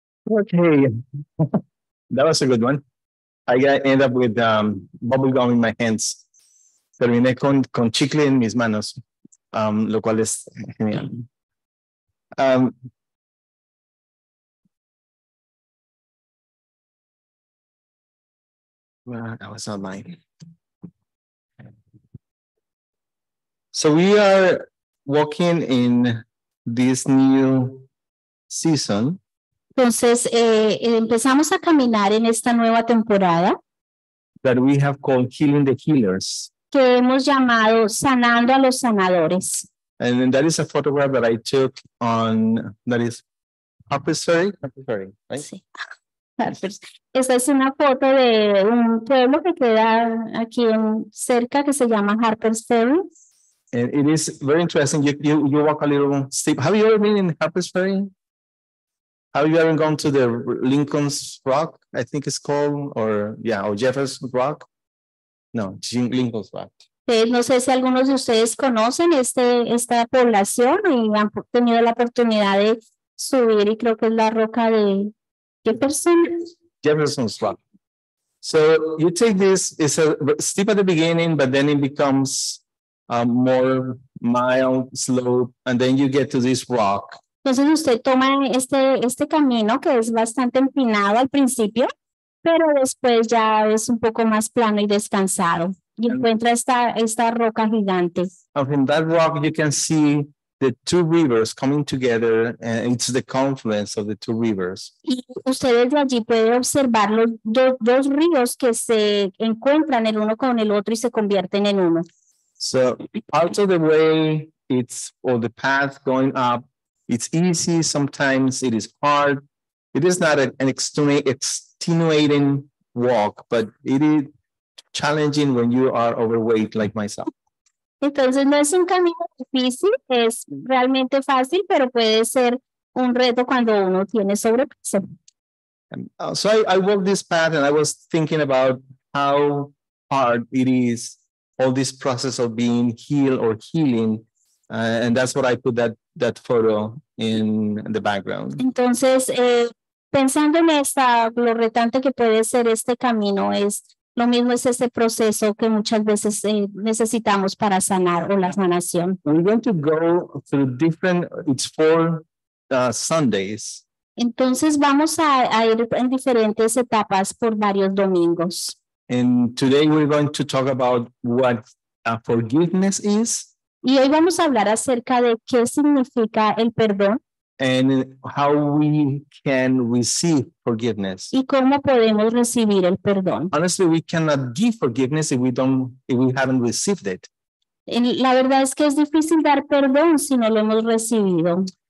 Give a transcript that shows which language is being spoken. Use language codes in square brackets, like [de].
[en] Okay, that was a good one. I end up with bubble gum in my hands. [es] Terminé con chicle en mis manos, lo cual es genial. [en] That was not mine. So we are walking in this new season. [es] Entonces, empezamos a caminar en esta nueva temporada [en] that we have called Healing the Healers, [es] que hemos llamado Sanando a los Sanadores. [en] And that is a photograph that I took on, that is Harper's Ferry, right? [es] Sí. Esta es una foto de un pueblo que queda aquí en cerca que se llama Harper's Ferry. [en] And it is very interesting. You walk a little steep. Have you ever been in Harper's Ferry? Have you ever gone to the Lincoln's Rock, I think it's called, or Jefferson Rock? No, Lincoln's Rock. [es] No sé si algunos de ustedes conocen esta población y han tenido la oportunidad de subir, y creo que es la roca de Jefferson. [en] Jefferson's Rock. So you take this, it's a steep at the beginning, but then it becomes a more mild slope, and then you get to this rock. [es] Entonces usted toma este camino que es bastante empinado al principio, pero después ya es un poco más plano y descansado. Y encuentra esta roca gigante. [en] And from that rock you can see the two rivers coming together, and it's the confluence of the two rivers. [es] Y usted desde allí puede observar los dos ríos que se encuentran el uno con el otro y se convierten en uno. [en] So part of the way it's, or the path going up, it's easy, sometimes it is hard. It is not an extenuating walk, but it is challenging when you are overweight like myself. [es] Entonces no es un camino difícil, es realmente fácil, pero puede ser un reto cuando uno tiene sobrepeso. [en] So I walked this path and I was thinking about how hard it is, all this process of being healed or healing. And that's what I put that photo in the background. [es] Entonces, pensando en esta, lo retante que puede ser este camino, es lo mismo es ese proceso que muchas veces necesitamos para sanar o la sanación. [en] We're going to go through different, it's 4 Sundays. [es] Entonces vamos a ir en diferentes etapas por varios domingos. [en] And today we're going to talk about what forgiveness is. [es] Y hoy vamos a hablar acerca de qué significa el perdón. [en] And how we can receive forgiveness. [es] Y cómo podemos recibir el perdón. [en] Honestly, we cannot give forgiveness if we haven't received it. [es] La verdad es que es difícil dar perdón si no lo hemos recibido.